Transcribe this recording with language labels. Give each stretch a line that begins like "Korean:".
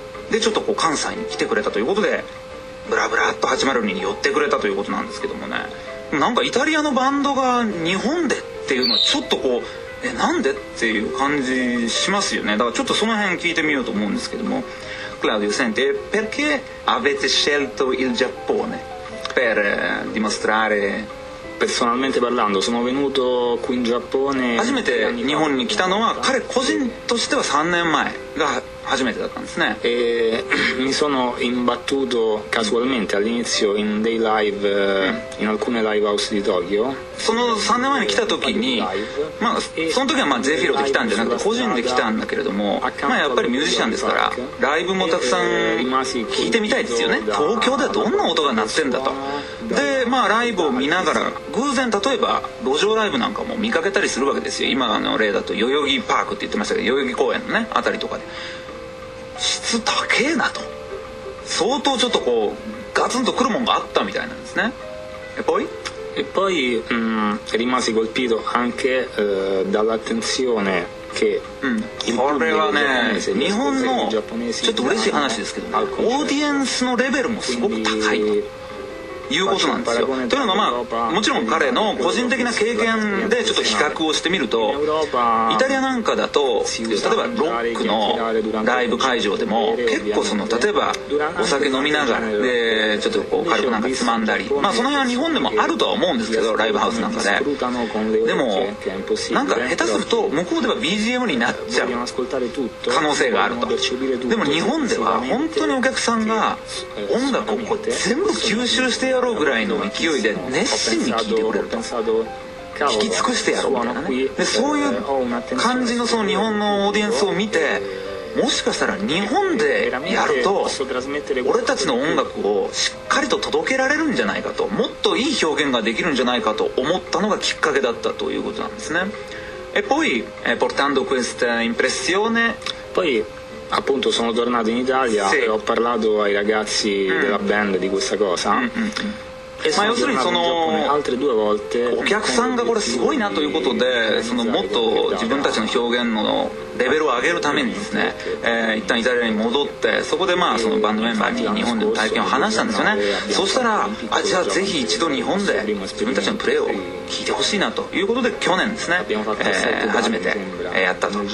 Japanese: で、ちょっとこう関西に来てくれたということで、ブラブラっと802に寄ってくれたということなんですけどもね、なんかイタリアのバンドが日本でっていうのはちょっとこう、え、なんでっていう感じしますよね。だからちょっとその辺聞いてみようと思うんですけども、クラウディオ先生、
Italian: perché avete scelto il Giappone per dimostrare? Personalmente parlando, sono venuto qui in Giappone.
Japanese: 初めて日本に来たのは彼個人としては3年前が初めてだったんですね。
Italian: mi sono imbattuto casualmente all'inizio in dei live, in alcune live house di Tokyo.
Japanese: その3年前に来た時に、まあその時はまあゼフィロで来たんじゃなくて個人で来たんだけれども、まあやっぱりミュージシャンですからライブもたくさん聞いてみたいですよね。東京ではどんな音が鳴ってんだと。で、まあライブを見ながら偶然、例えば路上ライブなんかも見かけたりするわけですよ。今の例だと代々木パークって言ってましたけど、代々木公園のねあたりとかで。質高えなと、相当ちょっとこうガツンとくるもんがあったみたいなんですね。
Italian: E poi, rimasi colpito anche dall'attenzione che il pubblico giapponese, il pubblico giapponese,
Japanese: ちょっと嬉しい話ですけどね、オーディエンスのレベルもすごく高いと。いうことなんですよ。というのもまあもちろん彼の個人的な経験でちょっと比較をしてみると、イタリアなんかだと例えばロックのライブ会場でも結構その例えばお酒飲みながらでちょっとこう軽くなんかつまんだり、まあその辺は日本でもあるとは思うんですけど、ライブハウスなんかで。でもなんか下手すると向こうでは BGM になっちゃう可能性があると。でも日本では本当にお客さんが音楽を全部吸収してやろうぐらいの勢いで熱心に聴いてくれると、聞き尽くしてやろうみたいなね。でそういう感じ その日本のオーディエンスを見て、もしかしたら日本でやると俺たちの音楽をしっかりと届けられるんじゃないかと、もっといい表現ができるんじゃないかと思ったのがきっかけだったということなんですね。
Italian: E poi portando questa impressione poiAppunto sono tornato in Italia、sì. e ho parlato ai ragazzi、mm. della band di questa cosa、 mm-hmm. e sono tornato in Giappone altre due volte。
Japanese: お客さんがこれすごいなということで、そのもっと自分たちの表現のレベルを上げるためにですね、一旦イタリアに戻って、そこでまあそのバンドメンバーに日本での体験を話したんですよね。そしたら、あ、じゃあぜひ一度日本で自分たちのプレーを聞いてほしいなということで、去年ですね、初めてやったと。